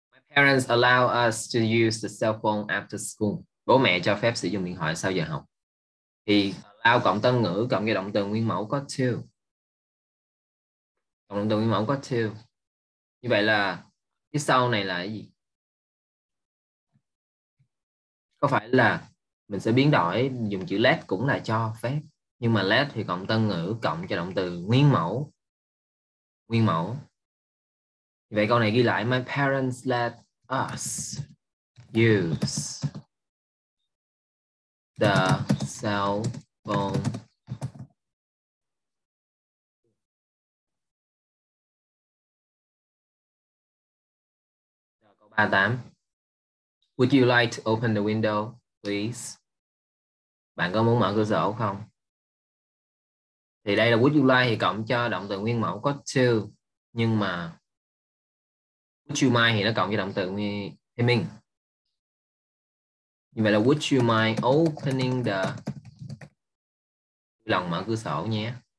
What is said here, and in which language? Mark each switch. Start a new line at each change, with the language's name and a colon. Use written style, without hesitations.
English: Parents allow us to use the cell phone after school.
Vietnamese: Bố mẹ cho phép sử dụng điện thoại sau giờ học. Thì allow cộng tân ngữ cộng với động từ nguyên mẫu có to. Cộng động từ nguyên mẫu có to. Như vậy là phía sau này là cái gì? Có phải là mình sẽ biến đổi dùng chữ let cũng là cho phép. Nhưng mà let thì cộng tân ngữ cộng cho động từ nguyên mẫu. Nguyên mẫu. Vậy câu này ghi lại,
English: my parents let us use the cell phone.
Vietnamese: Câu 38.
English: Would you like to open the window, please?
Vietnamese: Bạn có muốn mở cửa sổ không? Thì đây là
English: would you like
Vietnamese: thì cộng cho động từ nguyên mẫu có to. Nhưng mà
English: would you mind
Vietnamese: thì nó cộng với động từ nguyên mình. Như vậy là
English: would you mind opening the,
Vietnamese: lòng mở cửa sổ nhé.